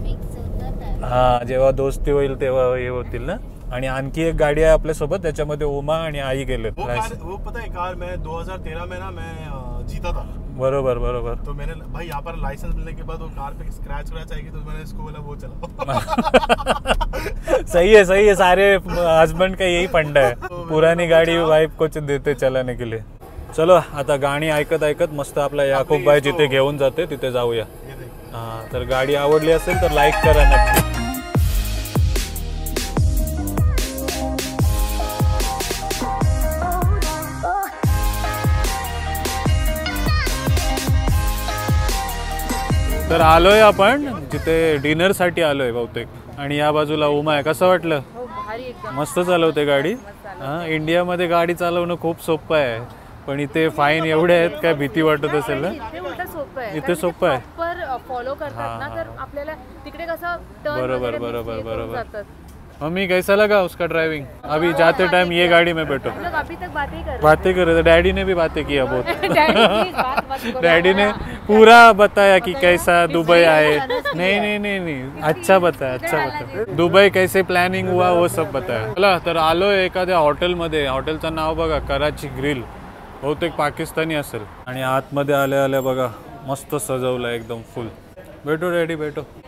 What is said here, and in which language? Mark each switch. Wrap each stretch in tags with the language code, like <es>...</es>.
<mr>हाँ जेव्हा दोस्ती होईल तेव्हा हे होतील ना. आणि आणखी एक गाडी आहे आपल्या सोबत, त्याच्यामध्ये उमा आणि आई गेले.</mr> <hi>वो कार, वो पता है कार मैं 2013 में ना मैं जीता था.</hi> <mr>बरोबर बरोबर.</mr> <hi>तो मैंने भाई यहाँ पर लाइसेंस मिलने के बाद वो कार पे स्क्रैच स्क्रैच आएगी, तो मैंने इसको बोला वो चला. सही है सारे हस्बैंड का यही फंडा है. पुरानी गाड़ी वाइफ को देते चलाने के लिए.</hi> <mr>चलो आता गाणी ऐकत ऐकत मस्त आपला याकूब भाई जिथे घेऊन जाते तिथे जाऊया. हा तर गाडी आवडली असेल तर लाईक करा नक्की. तर आलोय आपण जिथे डिनर साठी आलोय बहुतेक. आणि या बाजूला उमा आहे. कसं वाटलं? मस्त चालवते गाडी. इंडिया मध्ये गाडी चालवणं खूप सोपं आहे, पण इथे फाईन एवढे आहेत काय भीती वाटत असेल ना. इथे सोपं आहे, फॉलो करतात ना. बरोबर बरोबर बरोबर.</mr> <hi>मम्मी कैसा लगा उसका ड्राइविंग? अभी जाते टाइम ये गाड़ी में बैठो. अभी तक बातें कर रहे थे. डैडी ने भी बातें किया बहुत. डैडी ने पूरा बताया कि कैसा दुबई आए. नहीं नहीं नहीं नहीं, अच्छा बताया, अच्छा बताया. दुबई कैसे प्लानिंग हुआ वो सब बताया.</hi> <mr>चला तर आलो एखाद्या हॉटेल मध्ये. हॉटेल चं नाव बघा, कराची ग्रिल. बहुतेक पाकिस्तानी असेल. आणि आत मध्ये आले आले बघा, मस्त सजवलं एकदम फुल. भेटो डैडी भेटो.</mr>